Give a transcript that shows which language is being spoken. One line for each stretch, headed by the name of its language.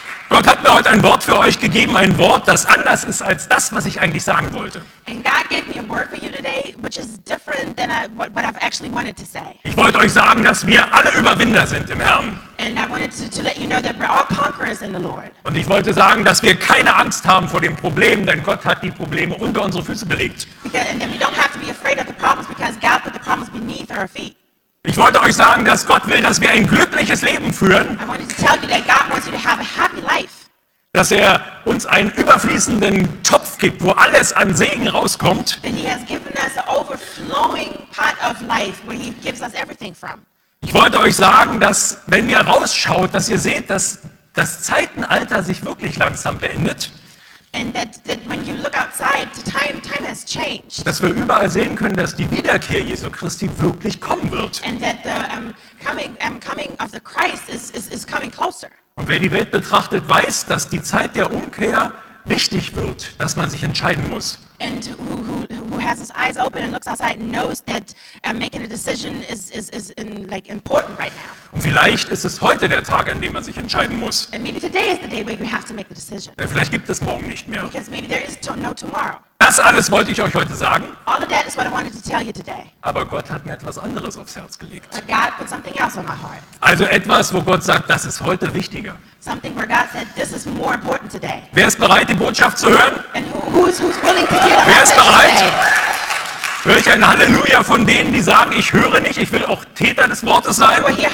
German: Gott hat mir heute ein Wort für euch gegeben, ein Wort, das anders ist als das, was ich eigentlich sagen wollte.
English: And God gave me a word for you today, which is different than what I've actually wanted to say.
German: Ich wollte euch sagen, dass wir alle Überwinder sind im Herrn.
English: And I wanted to let you know that we're all conquerors in the Lord.
German: Und ich wollte sagen, dass wir keine Angst haben vor dem Problem, denn Gott hat die Probleme unter unsere Füße gelegt.
English: And then we don't have to be afraid of the problems because God put the problems beneath our feet.
German: Ich wollte euch sagen, dass Gott will, dass wir ein glückliches Leben führen.
English: I wanted to tell you that God wants you to have a happy life.
German: Dass er uns einen überfließenden Topf gibt, wo alles an Segen rauskommt.
English: That he has given us an overflowing pot of life, where he gives us everything from.
German: Ich wollte euch sagen, dass wenn ihr rausschaut, dass ihr seht, dass das Zeitenalter sich wirklich langsam beendet.
English: And that when you look outside, time has changed.
German: Dass wir überall sehen können, dass die Wiederkehr Jesu Christi wirklich kommen wird.
English: And that the coming of the Christ is coming closer.
German: Und wer die Welt betrachtet, weiß, dass die Zeit der Umkehr wichtig wird, dass man sich entscheiden muss.
English: And who has his eyes open and looks outside and knows that making a decision is important right now.
German: Und vielleicht ist es heute der Tag, an dem man sich entscheiden muss.
English: And maybe today is the day where you have to make the decision.
German: Vielleicht gibt es morgen nicht mehr.
English: Because maybe there is no tomorrow.
German: Da Das alles wollte ich euch heute sagen.
English: All of that is what I wanted to tell you today.
German: Aber Gott hat mir etwas anderes aufs Herz gelegt.
English: But God put something else on my heart.
German: Also etwas, wo Gott sagt, das ist heute wichtiger.
English: Something where God said, this is more important today.
German: Wer ist bereit, die Botschaft zu hören?
English: And who's willing to hear the
German: message? Wer ist bereit? Höre ich ein Halleluja von denen, die sagen, ich höre nicht, ich will auch Täter des Wortes sein?